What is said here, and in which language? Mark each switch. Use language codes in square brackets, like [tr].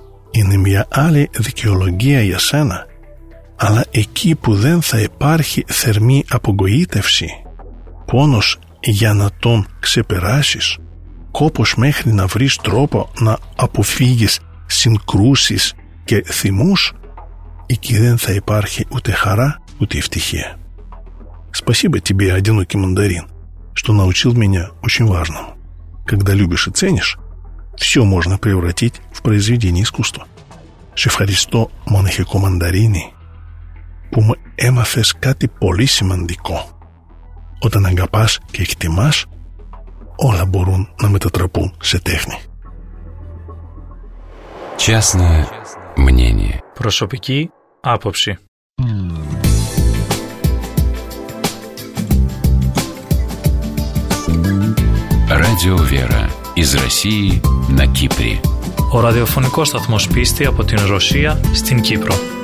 [el] Είναι μια άλλη δικαιολογία για σένα, αλλά εκεί που δεν θα υπάρχει θερμή απογοήτευση, πόνος για να τον ξεπεράσεις, κόπος μέχρι να βρεις τρόπο να αποφύγεις συγκρούσεις και θυμούς, εκεί δεν θα υπάρχει ούτε χαρά ούτε ευτυχία. [ru] Спасибо тебе, одинокий мандарин, что научил меня очень важному. Когда любишь и ценишь, все можно превратить в произведение искусства. [el] Шефаристо монахико мандарини. που μου έμαθες κάτι πολύ σημαντικό. Όταν αγαπάς και εκτιμάς, όλα μπορούν να μετατραπούν σε τέχνη. [ru] Частное мнение. [el] Προσωπική άποψη. [ru] Радио Вера из России на Кипре. [el] Ο ραδιοφωνικός σταθμός πίστη από την Ρωσία στην Κύπρο.